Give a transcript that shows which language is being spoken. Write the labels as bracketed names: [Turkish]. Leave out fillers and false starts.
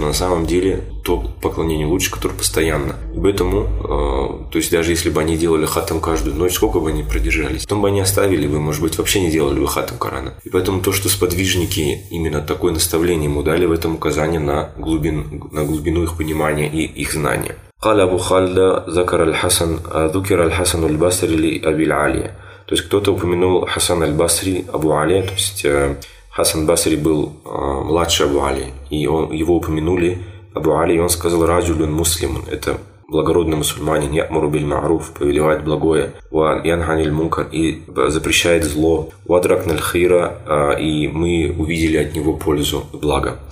[Russian] Но на самом деле то поклонение лучше, которое постоянно. И поэтому, то есть даже если бы они делали хатам каждую ночь, сколько бы они продержались, потом бы они оставили бы, может быть, вообще не делали бы хатам Корана. И поэтому то, что сподвижники именно такое наставление ему дали, в этом указание на глубину их понимания и их знания. [Arabic] قال أبو خالد ذكر الحسن ذكر الحسن البصري لأبي العالية. [Russian] То есть кто-то упомянул Хасан аль-Басри Абу Али, то есть Хасан Басри был младше Абу Али, и его упомянули Абу Али, и он сказал [Arabic] раджулюн муслимун, [Russian] это благородный мусульманин, [Arabic] ямуру биль маруф, [Russian] повелевает благое, [Arabic] ва янхани аль-мункар, [Russian] и запрещает зло, [Arabic] вадракна аль-хира, [Russian] и мы увидели от него пользу, благо.